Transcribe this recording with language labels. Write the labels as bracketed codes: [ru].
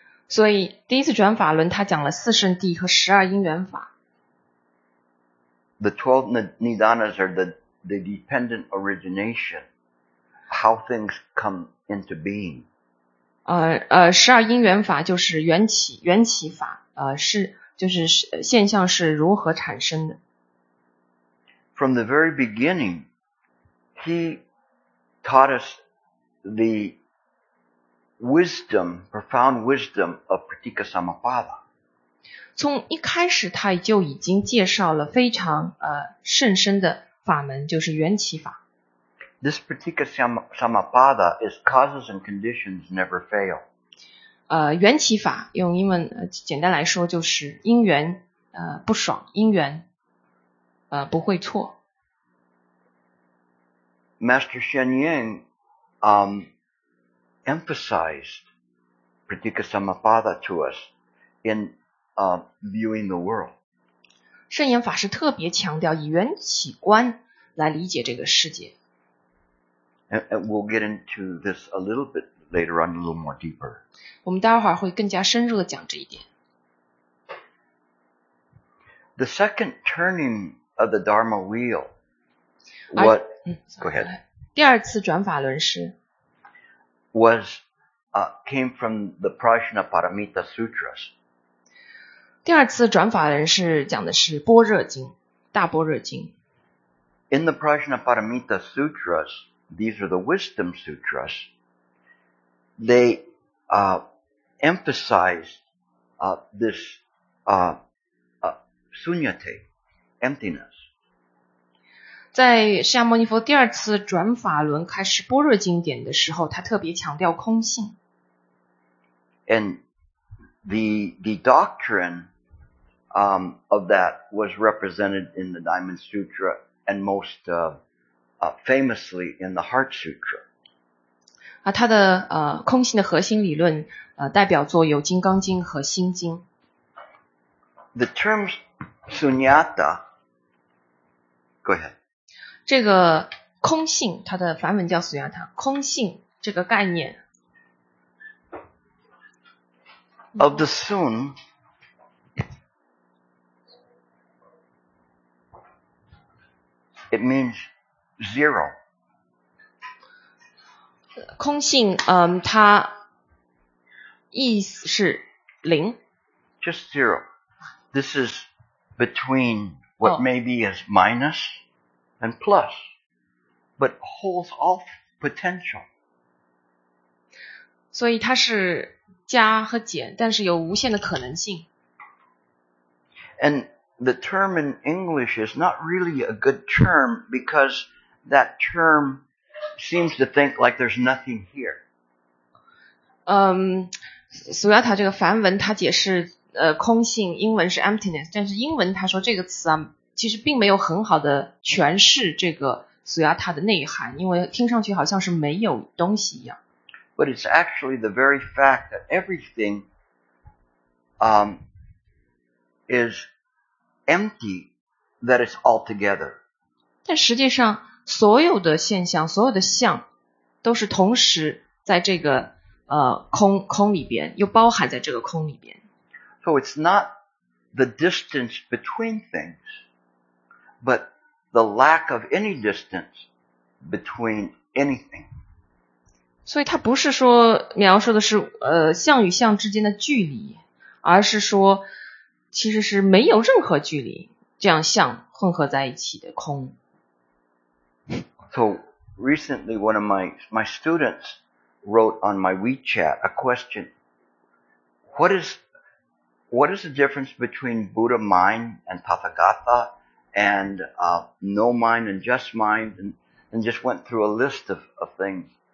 [zh] 所以第一次转法轮他讲了四圣谛和十二因缘法。 [en] The 12 Nidanas are the dependent origination. How things come into being. [zh] 十二因缘法就是缘起法是就是现象是如何产生的。 [en] From the very beginning, he taught us the wisdom, profound wisdom of Pratikasamapada. [zh] 从一开始他就已经介绍了非常甚深的法门，就是缘起法。 [en] This Pratikasamapada is causes and conditions never fail. [zh] 缘起法用英文简单来说就是因缘不爽，因缘不会错。 [en] Master Xuan Yang emphasized Pratikasamapada to us in viewing the world. [zh] 圣严法师特别强调以缘起观来理解这个世界。 [en] And we'll get into this a little bit later on, a little more deeper. [zh] 我们待会儿会更加深入的讲这一点。 [en] The second turning of the Dharma wheel, what? Go ahead. [zh] 第二次转法轮是 [en] was came from the Prajnaparamita Sutras. [zh] 第二次转法轮是讲的是般若经，大般若经。 [en] In the Prajnaparamita Sutras. These are the wisdom sutras. They emphasize this sunyate, emptiness. [zh] 在释迦牟尼佛第二次转法轮开始般若经典的时候，他特别强调空性。 [en] And the doctrine of that was represented in the Diamond Sutra and most famously in the Heart Sutra. [zh] 它的空性的核心理论代表作有《金刚经》和《心经》。 [en] The term sunyata, go ahead. [zh] 这个空性，它的梵文叫 sunyata, 空性这个概念。 [en] Of the sun, it means. Zero. [zh] 空性它意思是零。 [en] Just zero. This is between what maybe is minus and plus, but holds all potential. [zh] 所以它是加和减，但是有无限的可能性。 [en] And the term in English is not really a good term because... That term seems to think like there's nothing here. [zh] Sunyata 这个梵文它解释空性，英文是 emptiness， 但是英文它说这个词其实并没有很好的诠释这个 Sunyata 的内涵，因为听上去好像是没有东西一样。 [en] But it's actually the very fact that everything is empty that it's all together. [zh] 但实际上，所有的现象，所有的相，都是同时在这个空里边，又包含在这个空里边。 [en] So it's not the distance between things, but the lack of any distance between anything. [zh] 所以它不是说描述的是相与相之间的距离，而是说其实是没有任何距离，这样相混合在一起的空。 [en] So recently, one of my students wrote on my WeChat a question. What is the difference between Buddha mind and Tathagata and no mind and just mind, and just went through a list of things.